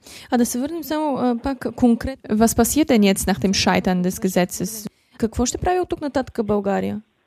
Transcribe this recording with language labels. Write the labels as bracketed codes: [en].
[bg] А да се върнем само пак конкретно. [de] Was passiert denn jetzt nach dem Scheitern des Gesetzes? [bg] Какво ще прави от тук нататък България?